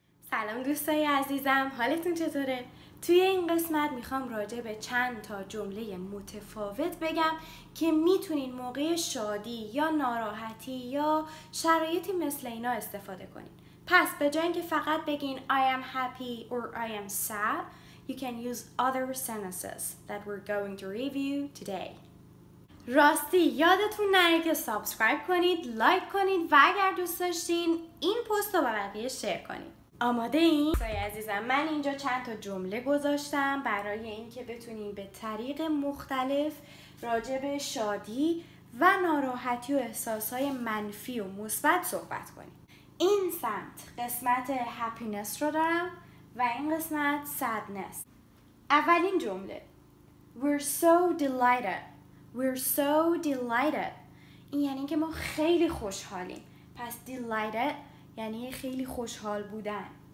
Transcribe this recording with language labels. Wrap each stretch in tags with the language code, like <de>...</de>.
<fa>سلام دوستای عزیزم، حالتون چطوره؟ توی این قسمت میخوام راجع به چند تا جمله متفاوت بگم که میتونین موقع شادی یا ناراحتی یا شرایطی مثل اینا استفاده کنین. پس به جای اینکه فقط بگین</fa> <en>I am happy or I am sad, you can use other sentences that we're going to review today.</en> <fa>راستی یادتون نره که سابسکرایب کنید، لایک کنید و اگر دوست داشتین این پست رو با بقیه شیر کنید. آماده این؟ سای عزیزم، من اینجا چند تا جمله گذاشتم برای اینکه بتونیم به طریق مختلف راجع به شادی و ناراحتی و احساسهای منفی و مثبت صحبت کنیم. این سمت قسمت هپینس رو دارم و این قسمت سادنس. اولین جمله</fa> <en>We're so delighted.</en> <fa>این یعنی که ما خیلی خوشحالیم. پس delighted یعنی خیلی خوشحال بودن.</fa>